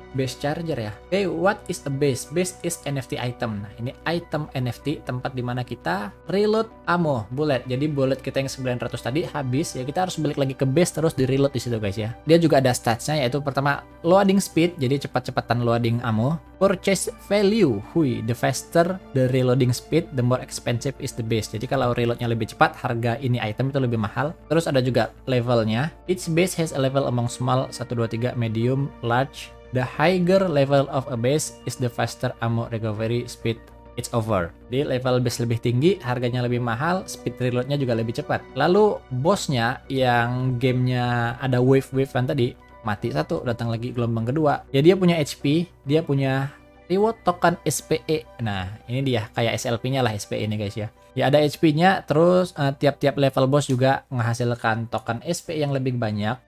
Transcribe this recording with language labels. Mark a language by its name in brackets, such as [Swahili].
[English] Base charger ya. Okay, what is a base? Base is NFT item. [Indonesian] Nah, ini item NFT, tempat dimana kita [English] reload ammo bullet. [Indonesian] Jadi bullet kita yang 900 tadi habis, ya kita harus balik lagi ke base terus di reload di situ guys ya. Dia juga ada statsnya, yaitu pertama [English] loading speed, [Indonesian] jadi cepat-cepatan [English] loading ammo. Purchase value, hui, the faster the reloading speed, the more expensive is the base. [Indonesian] Jadi kalau reloadnya lebih cepat, harga ini item itu lebih mahal. Terus ada juga levelnya. [English] Each base has a level among small, 1, 2, 3, medium, large. The higher level of a base is the faster ammo recovery speed. It's over. [Indonesian] Di level base lebih tinggi, harganya lebih mahal, speed reloadnya juga lebih cepat. Lalu bosnya yang gamenya ada wave-wave tadi, mati satu, datang lagi gelombang kedua. Ya dia punya HP, dia punya reward token SPE. Nah ini dia, kayak SLP-nya lah SPE ini guys ya. Ya ada HP-nya, terus tiap-tiap level boss juga menghasilkan token SPE yang lebih banyak.